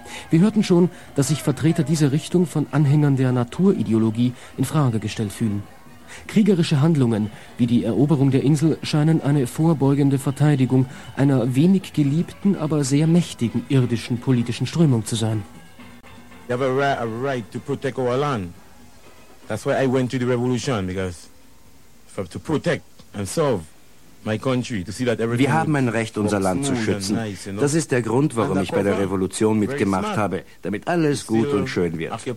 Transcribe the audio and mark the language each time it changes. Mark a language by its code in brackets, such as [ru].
[de] Wir hörten schon, dass sich Vertreter dieser Richtung von Anhängern der Naturideologie in Frage gestellt fühlen. Kriegerische Handlungen wie die Eroberung der Insel scheinen eine vorbeugende Verteidigung einer wenig geliebten, aber sehr mächtigen irdischen politischen Strömung zu sein. [en] We have a right to protect our land. That's why I went to the revolution, because to protect and solve. [de] Wir haben ein Recht, unser Land zu schützen. Das ist der Grund, warum ich bei der Revolution mitgemacht habe, damit alles gut und schön wird.